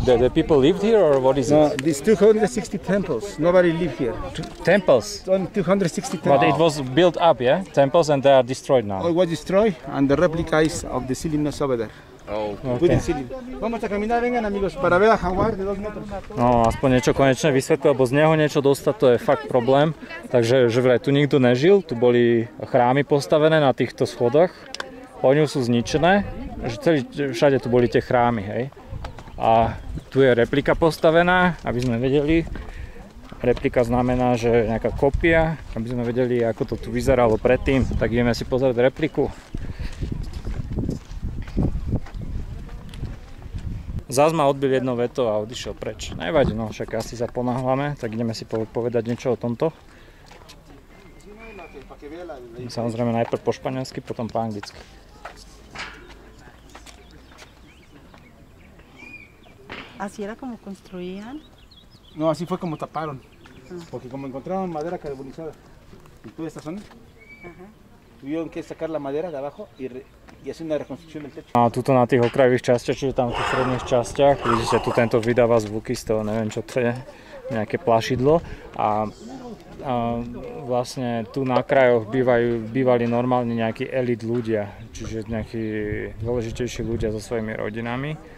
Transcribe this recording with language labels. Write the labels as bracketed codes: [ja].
[en] The people lived here or what is it? No, this 260 temples. Nobody lived here. Temples? Only 260 temples. But it was built up, yeah? Temples and they are destroyed now. Oh, it was destroyed and the replicas of the ceilings over there. Oh, okay. [sk] No, aspoň niečo konečne vysvetlil, lebo z neho niečo dostať, to je fakt problém. Takže že vraj tu nikto nežil, tu boli chrámy postavené na týchto schodoch. Po ňu sú zničené. Že celý, všade tu boli tie chrámy, hej. A tu je replika postavená, aby sme vedeli. Replika znamená, že nejaká kopia, aby sme vedeli, ako to tu vyzeralo predtým. Tak ideme si pozrieť repliku. Zas ma odbil jedno veto a odišiel preč. Nevadí, no však asi sa ponáhľame, tak ideme si povedať niečo o tomto. Samozrejme najprv po španielsky, potom po anglicky. [es] Así era como construían. No, así fue como taparon. Porque como encontraron madera carbonizada en toda esta zona. Ajá. Tuvieron que sacar la madera de abajo y hacer una reconstrucción del techo. [sk] No, tuto na tých okrajových častiach, čiže tam v tých stredných častiach, vidíte, tu tento vydáva zvuky z toho, neviem čo to je, nejaké plašidlo a vlastne tu na krajoch bývali normálne nejakí elit ľudia, čiže nejakí dôležitejší ľudia so svojimi rodinami.